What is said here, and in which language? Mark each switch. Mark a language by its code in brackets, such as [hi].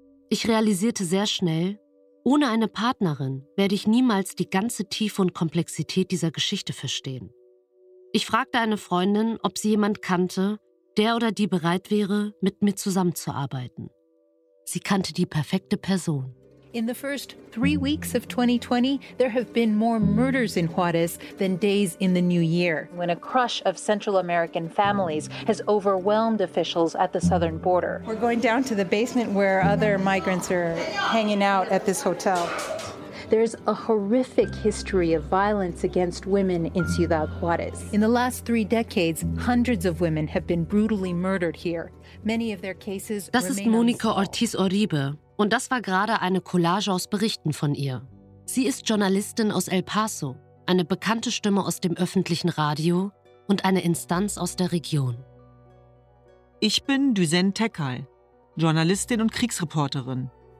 [de] Ich realisierte sehr schnell, ohne eine Partnerin werde ich niemals die ganze Tiefe und Komplexität dieser Geschichte verstehen. Ich fragte eine Freundin, ob sie jemand kannte, der oder die bereit wäre, mit mir zusammenzuarbeiten. Sie kannte die perfekte Person. [en] In the first 3 weeks of 2020, there have been more murders in Juarez than days in the new year. When a crush of Central American families has overwhelmed officials at the southern border. We're going down to the basement where other migrants are hanging out at this hotel. There's a horrific history of violence against women in Ciudad Juarez. In the last 3 decades, hundreds of women have been brutally murdered here. Many of their cases remain unsolved. [de] Das ist Monica Ortiz Oribe. Und das war gerade eine Collage aus Berichten von ihr. Sie ist Journalistin aus El Paso, eine bekannte Stimme aus dem öffentlichen Radio und eine Instanz aus der Region. Ich bin Düzen Tekkal, Journalistin und Kriegsreporterin.